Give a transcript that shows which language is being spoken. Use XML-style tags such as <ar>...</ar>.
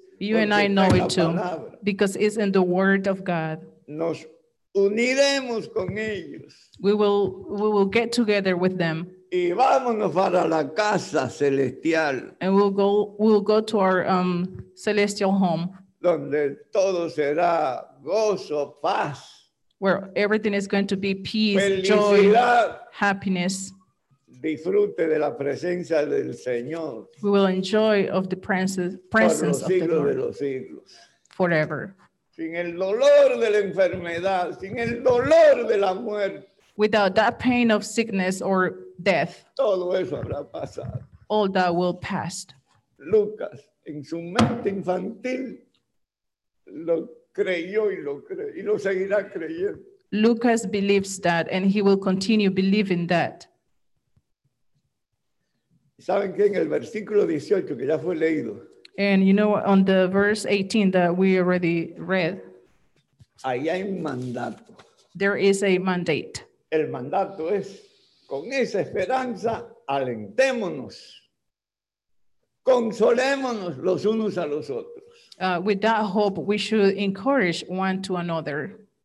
<en>You and I know it too, because it's in the word of God.</en> <es>Nos uniremos con ellos.</es> <en>We will get together with them.</en> <es>Y vámonos para la casa celestial.</es> <en>And we'll go to our celestial home.</en> <es>Donde todo será gozo, paz.</es> <en>Where everything is going to be peace,</en> <es>felicidad,</es> <en>joy, happiness.</en> <es>Disfrute de la presencia del Señor.</es> <en>We will enjoy of the presence</en> <es>por los siglos</es> <en>of the Lord.</en> <es>De los siglos.</es> <en>Forever.</en> <es>Sin el dolor de la enfermedad, sin el dolor de la muerte.</es> <en>Without that pain of sickness or death.</en> <es>Todo eso habrá pasado.</es> <en>All that will pass.</en> <es>Lucas, en su mente infantil, lo creyó y lo cree y lo seguirá creyendo.</es> <en>Lucas believes that and he will continue believing that.</en> <es>¿Saben qué? En el versículo 18 que ya fue leído.</es> <en>And you know, on the verse 18 that we already read.</en> <es>Ahí hay un mandato.</es> <en>There is a mandate.</en> <es>El mandato es, con esa esperanza, alentémonos. Consolémonos los unos a los otros.</es> <en>With that hope, we should encourage one to another.</en>